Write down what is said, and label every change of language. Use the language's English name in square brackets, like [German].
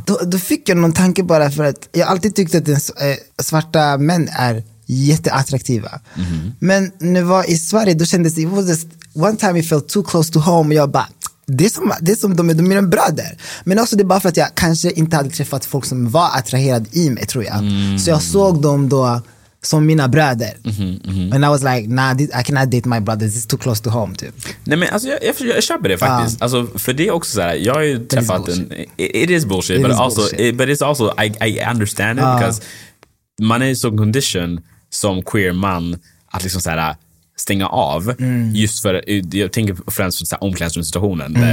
[Swedish] Då fick jag någon tanke, bara för att jag alltid tyckte att svarta män är jätteattraktiva. Men när jag var i Sverige, då kändes det, [English] one time it felt too close to home. [Swedish] Och jag bara, Det är som de är mina bröder. Men också det är bara för att jag kanske inte hade träffat folk som var attraherade i mig, tror jag. Så jag såg dem då som mina bröder. [English] And I was like, nah, I cannot date my brothers, it's too close to home too. [Swedish] Nej, men alltså jag köper det faktiskt. Alltså, för det är också så här, jag har ju träffat en, [English] it is bullshit, but it's also I understand it [Swedish] because man är så conditioned som queer man att liksom så här stänga av, just för, jag tänker främst på omklädningsrumssituationen.